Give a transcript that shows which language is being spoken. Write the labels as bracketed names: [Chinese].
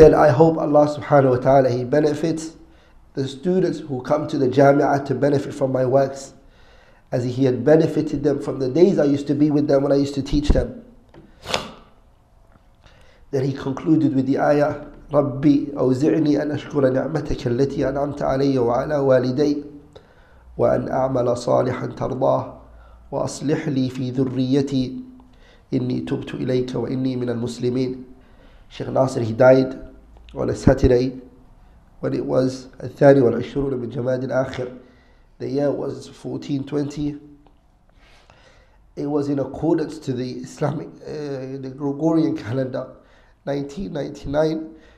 [English] hope Allah subhanahu wa ta'ala, he benefits the students who come to the jami'ah to benefit from my works, as he had benefited them from the days I used to be with them when I used to teach them. Then he concluded with the ayah, [Arabic] Rabbi, أوزعني أن أشكر نعمتك التي أنعمت علي وعلى والدي وأن أعمل صالحا ترضاه وأصلح لي في ذريتي إني تبت إليك وإني من المسلمين. [English] Sheikh Nasir, he died on a Saturday when it was [Arabic] الثاني والعشرون من جماد الآخر. [English] The year was 1420. It was in accordance to the Islamic, the Gregorian calendar, 1999.